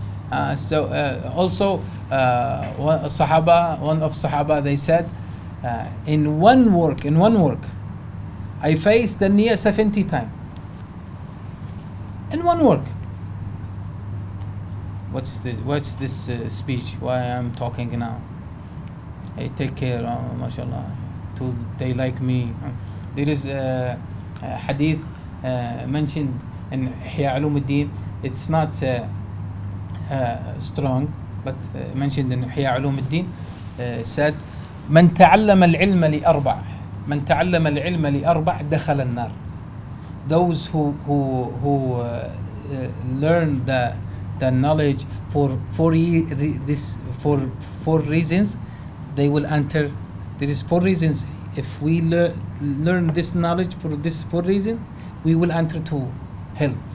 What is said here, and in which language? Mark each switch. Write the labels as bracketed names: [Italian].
[English] One of Sahaba, they said, in one work, I faced the niyyah 70 times. In one work. What's this speech? Why I'm talking now? I take care, mashallah, till they like me. There is a hadith mentioned in Ihya Ulum al-Din. It's not strong, but mentioned in Ihya Ulum al-Din, said, [Arabic] من تعلم العلم لأربع من تعلم العلم لأربع دخل النار. [English] Those who learn the knowledge for four reasons, they will enter. There is four reasons. If we learn this knowledge for this four reason, we will enter to hell.